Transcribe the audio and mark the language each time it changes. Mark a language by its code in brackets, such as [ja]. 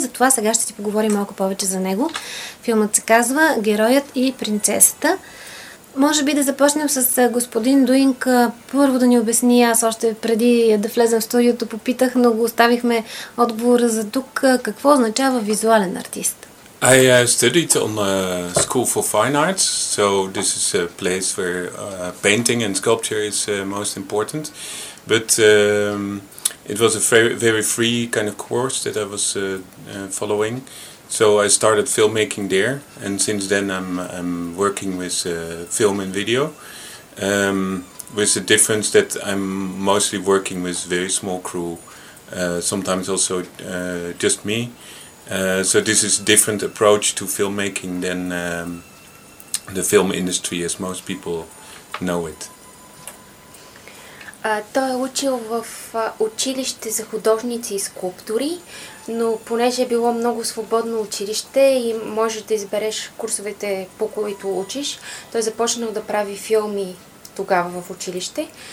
[bg] Затова сега ще си поговорим малко повече за него. Филмът се казва Героят и принцесата. Може би да започнем с господин Дуинг. Първо да ни обясни, аз още преди да влезем в студиото попитах, но го оставихме отговора за тук. Какво означава визуален артист? [en] I studied on the School for Fine Arts, so this is a place where painting and sculpture is most important. But it was a very free kind of course that I was following. So I started filmmaking there, and since then I'm working with film and video. With the difference that I'm mostly working with very small crew, sometimes also just me. So this is a different approach to filmmaking than the film industry, as most people know it. [bg] Той е учил в училище за художници и скулптори, но понеже е било много свободно училище и може да избереш курсовете, по които учиш, той започнал да прави филми тогава в училище.